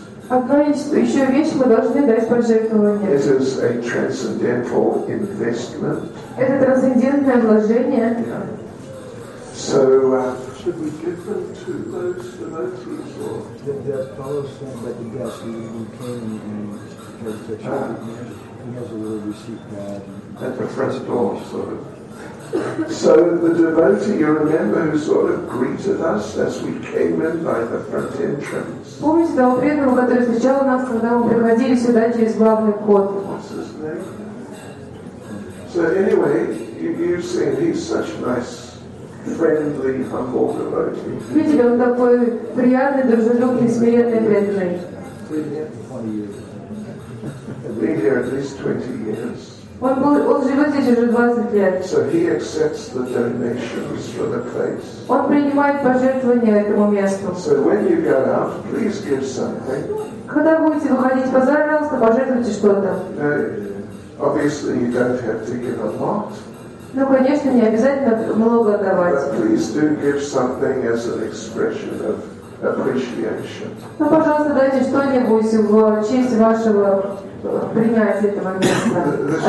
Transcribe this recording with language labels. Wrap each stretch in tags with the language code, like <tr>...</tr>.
<ru>Еще вещь мы должны дать пожертвование.</ru> <en>This is a transcendental investment.</en> <ru>Это трансцендентное вложение.</ru> <en>So should we give them to those devotees or the person that you got who came and has the check? He has a little receipt pad. At the front door, sort of. So the devotee, you remember, who sort of greeted us as we came in by the front entrance.</en> <ru>Помните того преданного, который встречал нас, когда мы приходили сюда через главный вход?</ru> <en>What's his name? So anyway, you see, he's such a nice, friendly, humble devotee.</en> <ru>Видите, он такой приятный, дружелюбный, смиренный преданный.</ru> <en>Been here at least 20 years.</en> <ru>Он живет здесь уже 20 лет.</ru> <en>So he accepts the donations for the place.</en> <ru>Он принимает пожертвования этому месту.</ru> <en>So when you go out, please give something.</en> <ru>Когда будете выходить, пожалуйста, пожертвуйте что-то.</ru> <en>Obviously you don't have to give a lot.</en> <ru>Ну, конечно, не обязательно много отдавать.</ru> <en>But please do give something as an expression of appreciation.</en> <ru>Ну, пожалуйста, дайте что-нибудь в честь вашего принятия этого места,</ru>